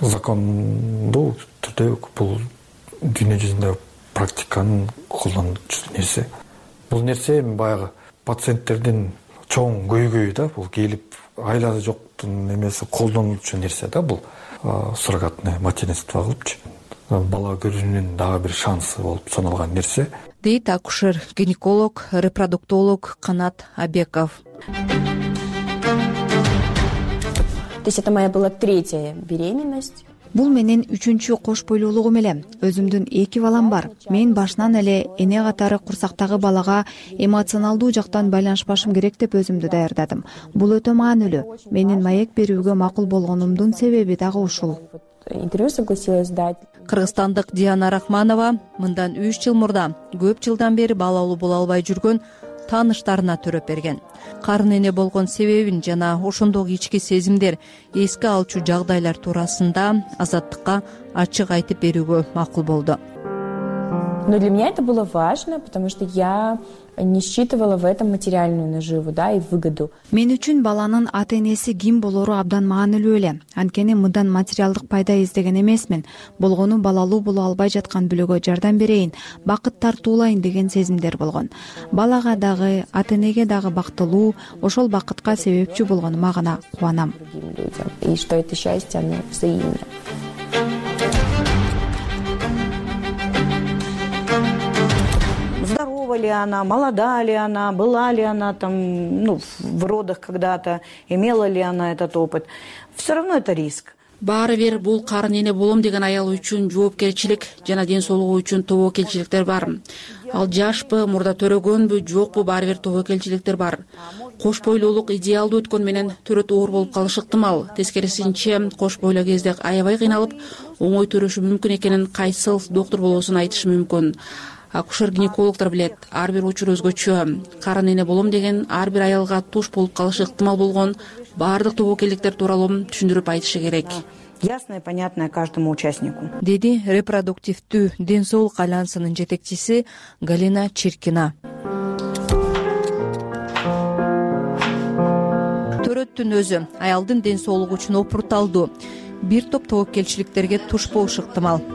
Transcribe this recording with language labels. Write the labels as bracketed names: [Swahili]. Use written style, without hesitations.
[Kyrgyz] Закондуу түрдө бул дүйнө жүзүндө практиканын колдонуучу нерсе. Бул нерсе эми баягы пациенттердин чоң көйгөйү да, бул келип айласы жоктун эмеси колдонуучу нерсе да бул суррогатное материнство кылыпчы. Бала көрүүнүн дагы бир шансы болуп саналган нерсе. Дейт акушер, гинеколог, репродуктолог Канат Абеков. [Russian] То есть это моя была третья беременность. [Kyrgyz] Бул менин үчүнчү кош бойлуулугум эле. Өзүмдүн 2 балам бар. Мен башынан эле эне катары курсактагы балага эмоционалдуу жактан байланышпашым керек деп өзүмдү даярдадым. Бул өтө маанилүү. Менин маек берүүгө макул болгонумдун себеби дагы ушул. [Russian] Интервью согласилась дать. [Kyrgyz] Кыргызстандык Диана Рахманова мындан 3 жыл мурда көп жылдан бери балалуу боло албай жүргөн тааныштарына төрөп берген. Карын эне болгон себебин жана ошондог ички сезимдер, эске алчу жагдайлар туурасында Азаттыкка ачык айтып берүүгө макул болду. [Russian] Но для меня это было важно, потому что я не считывала в этом материальную наживу, да, и выгоду. [Kyrgyz] Мен үчүн баланын ата-энеси ким болору абдан маанилүү эле. Анткени мындан материалдык пайда издеген эмесмин. Болгону балалуу боло албай жаткан бүлөгө жардам берейин, бакыт тартуулайын деген сезимдер болгон. Балага дагы, ата-энеге дагы бактылуу ошол бакытка себепчи болгонума гана кубанам. [Russian] И что это счастье, оно взаимное. Ли она, молода ли она, была ли она там, ну, в родах когда-то, имела ли она этот опыт. Все равно это риск. [Kyrgyz] Баары бир бул карын эне болом деген аял үчүн жоопкерчилик жана ден соолугу үчүн тобокелчиликтер бар. Ал жашпы, мурда төрөгөнбү, жокпу, баары бир тобокелчиликтер бар. Кош бойлуулук идеалдуу өткөн менен төрөт оор болуп калышы ыктымал. Тескерисинче, кош бойлуу кезде аябай кыйналып, оңой төрөшү мүмкүн экенин кайсыл доктур болосун айтышы мүмкүн. Акушер-гинекологтор билет, ар бир учур өзгөчө. Карын эне болом деген ар бир аялга туш болуп калышы ыктымал болгон баардык тобокелдиктер тууралуу түшүндүрүп айтышы керек. [Russian] Ясное, понятное каждому участнику. [Kyrgyz] Деди репродуктивдүү ден соолук альянсынын жетекчиси Галина Чиркина. Төрөттүн өзү аялдын ден соолугу үчүн опурталдуу. Бир топ тобокелчиликтерге туш болуш ыктымал.